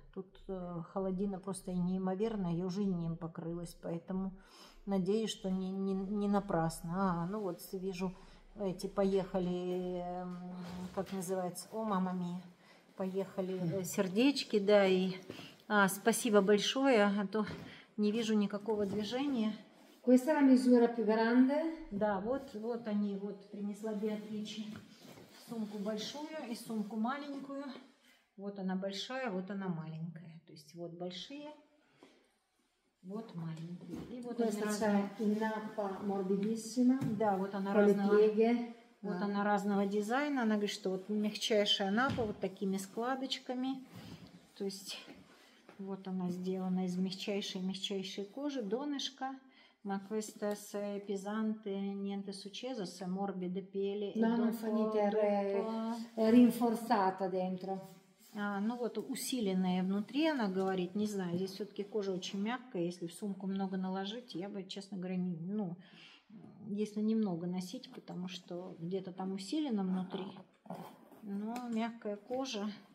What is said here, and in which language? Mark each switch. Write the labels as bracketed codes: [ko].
[ru] Тут холодина просто неимоверная, ее уже инеем покрылась, поэтому надеюсь, что не напрасно. А, ну вот, вижу, эти поехали, как называется, о, мамами. Поехали сердечки, да, и спасибо большое, а то не вижу никакого движения. [it] Questa è la misura più grande. [ru] Да, вот они, вот принесла Беатриче сумку большую и сумку маленькую. Вот она большая, вот она маленькая. То есть вот большие, вот маленькие. И вот [it] questa [ru] она разная. [it] Nappa morbidissima. [ru] Да, вот она разная. Вот она разного дизайна. Она говорит, что вот мягчайшая напа вот такими складочками. То есть вот она сделана из мягчайшей кожи. Донышко. [it] Ma questa è pesante, niente succeso, se morbide pelle. No, non fa niente, è rinforzata dentro. [ru] Ну вот усиленная внутри, она говорит, не знаю, здесь все-таки кожа очень мягкая, если в сумку много наложить, я бы, честно говоря, ну, если немного носить, потому что где-то там усилено внутри, но мягкая кожа.